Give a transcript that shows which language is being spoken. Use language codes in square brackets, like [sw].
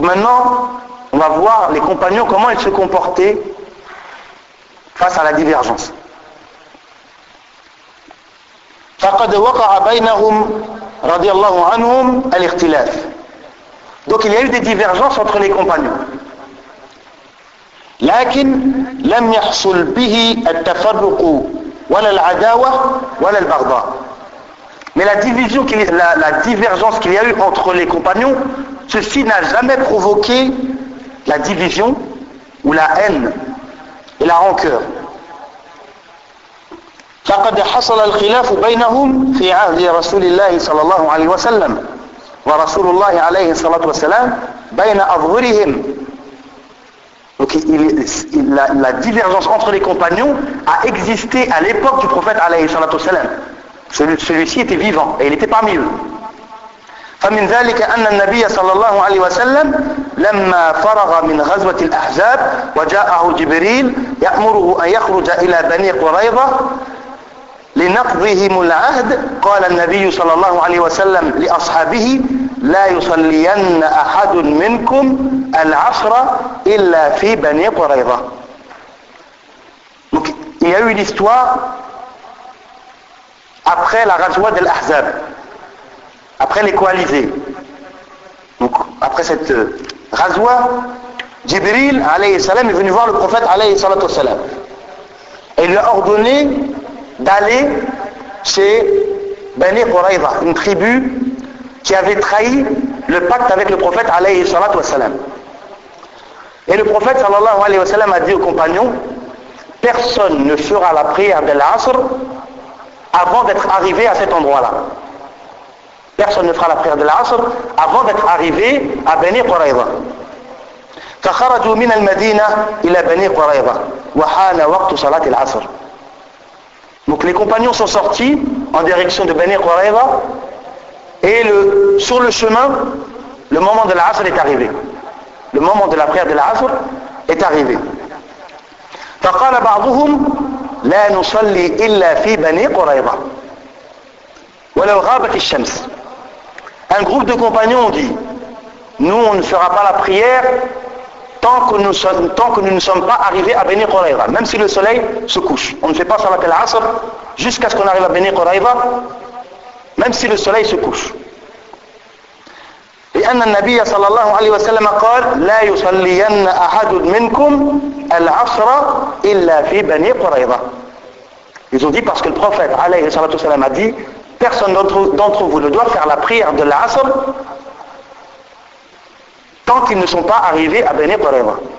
[fr] maintenant, on va voir les compagnons, comment ils se comportaient face à la divergence. [ar] فقد وقع بينهم رضي الله عنهم الاختلاف. [fr] Donc il y a eu des divergences entre les compagnons. [ar] لكن لم يحصل به التفرق ولا العداوة ولا البغضاء. [fr] Mais la division, la divergence qu'il y a eu entre les compagnons, ceci n'a jamais provoqué la division ou la haine et la rancœur. [ar] فقد حصل الخلاف بينهم في عهد رسول الله صلى الله عليه وسلم ورسول الله عليه الصلاة والسلام بين أظهرهم. [fr] Donc la divergence entre les compagnons a existé à l'époque du prophète [ar] alayhi salatu wasalam. [fr] Celui-ci était vivant et il était parmi eux. [ar] فمن ذلك أن النبي صلى الله عليه وسلم لما فرغ من غزوة الأحزاب وجاءه جبريل يأمره أن يخرج إلى بني قريظة لنقضهم العهد قال النبي صلى الله عليه وسلم لأصحابه لا يصلين أحد منكم العصر إلا في بني قريظة. [fr] Donc il y a eu une histoire après la Ghazwa de l'Ahzab, après les coalisés. Donc après cette Ghazwa, Jibril [ar] alayhi salam [fr] est venu voir le prophète [ar] alayhi salatu wasalam [fr] et il lui a ordonné d'aller chez Bani Qurayza, une tribu qui avait trahi le pacte avec le prophète alayhi salatu wasalam. Et le prophète [ar] sallallahu alayhi wasalam [fr] a dit aux compagnons, personne ne fera la prière de l'Asr avant d'être arrivé à cet endroit-là. Personne ne fera la prière de l'Asr avant d'être arrivé à Bani Qurayza. [ar] فخرجوا من المدينة إلى بني قريظة وحان وقت صلاة العصر. [fr] Donc les compagnons sont sortis en direction de Bani Qurayza et sur le chemin, le moment de l'Asr est arrivé. Le moment de la prière de l'Asr est arrivé. [ar] فقال بعضهم لا نصلي إلا في بني قريظة ولو غابت الشمس. [fr] Un groupe de compagnons ont dit, nous on ne fera pas la prière tant que nous ne sommes pas arrivés à Bani Qurayza, même si le soleil se couche. On ne fait pas salat al-Asr jusqu'à ce qu'on arrive à Bani Qurayza, même si le soleil se couche. [ar] لأن النبي صلى الله عليه وسلم قال لا يصلين أحد منكم العصر إلا في بني قريظة. [fr] Ils ont dit parce que le prophète [ar] عليه الصلاة والسلام [fr] a dit personne d'entre vous ne doit faire la prière de l'Asr tant qu'ils ne sont pas arrivés à Bani Qurayza.